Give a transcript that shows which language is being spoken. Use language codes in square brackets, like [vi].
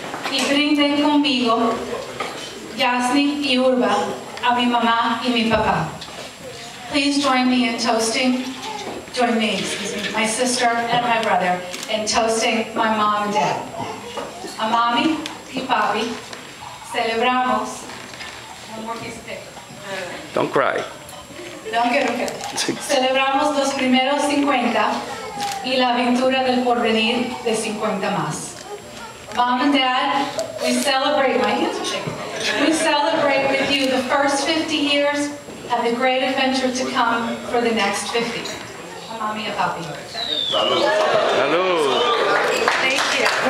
[es] Y brinden conmigo, Jasmine y Urba, a mi mamá y mi papá. [en] Please join me in toasting. Join me, excuse me, my sister and my brother, in toasting my mom and dad. [es] A mami y papi, celebramos. [en] Don't cry. Don't get okay. [es] Celebramos los primeros 50 y la aventura del porvenir de 50 más. [en] Mom and dad, we celebrate, my hands are shaking. We celebrate with you the first 50 years and the great adventure to come for the next 50. Mommy and Papi. Hello. Thank you.